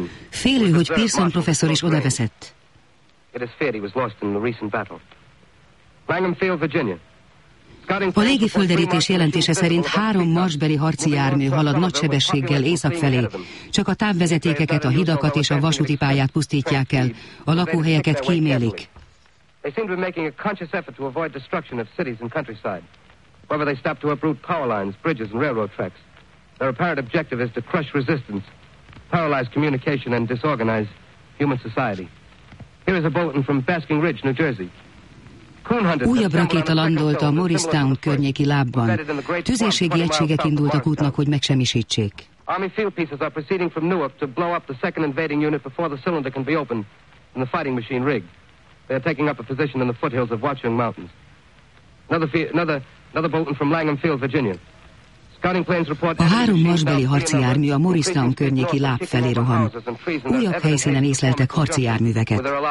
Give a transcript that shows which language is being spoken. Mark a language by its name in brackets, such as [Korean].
[Hungarian] Félő, hogy Pearson professzor is odaveszett. [English] It is feared he was lost in the recent battle. Langham Field, Virginia. [Hungarian] A légiföldelítés jelentése szerint három marsbeli harci jármű halad nagy sebességgel észak felé. Csak a távvezetékeket, a hidakat és a vasúti pályát pusztítják el. A lakóhelyeket kímélik. [English] They seem to be making a conscious effort to avoid destruction of cities and countryside. Whether they stop to uproot power lines, bridges and railroad tracks, their apparent objective is to crush resistance, paralyze communication and disorganize human society. Here is a bulletin from Basking Ridge, New Jersey. [Hungarian] Újabb rakéta landolt a Morristown környéki lábban. Tüzérségi egységek indultak útnak, hogy megsemmisítsék. [English] Army field pieces are proceeding from Newark to blow up the second invading unit before the cylinder can be opened and the fighting machine rigged. They are taking up a position in the foothills of Watchung Mountains. Another bulletin from Langham Field, Virginia. [Hungarian] A három marsbeli harci jármű a Morristown környéki láb felé rohan. Újabb helyszínen észleltek harci járműveket.